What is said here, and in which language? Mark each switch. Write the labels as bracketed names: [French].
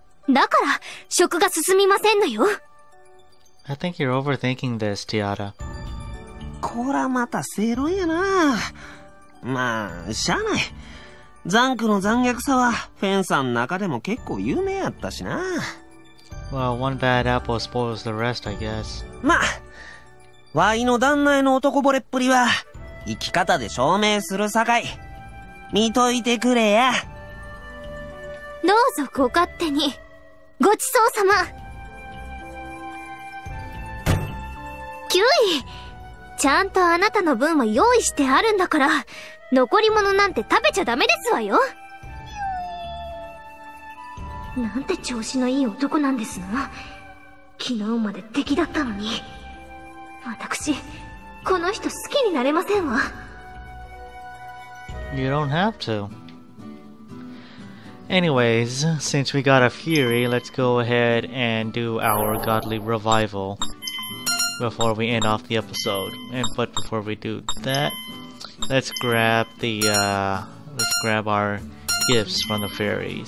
[Japanese] だから食が進みませんのよ。 [English] I think you're overthinking this, Tiara. [Japanese] こらまた正論やな。まあしゃあない、ザンクの残虐さはフェンさんの中でも結構有名やったしな。 [English] Well, one bad apple spoils the rest, I guess. [Japanese] まあワイの旦那への男惚れっぷりは生き方で証明するさかい、見といてくれや。どうぞご勝手に、ごちそうさま。キュイ、ちゃんとあなたの分は用意してあるんだから、残り物なんて食べちゃダメですわよ。なんて調子のいい男なんですの。昨日まで敵だったのに、私、この人好きになれませんわ。 [English] You don't have to. Anyways, since we got a fury, let's go ahead and do our godly revival before we end off the episode. And but before we do that, let's grab the, let's grab our gifts from the fairies.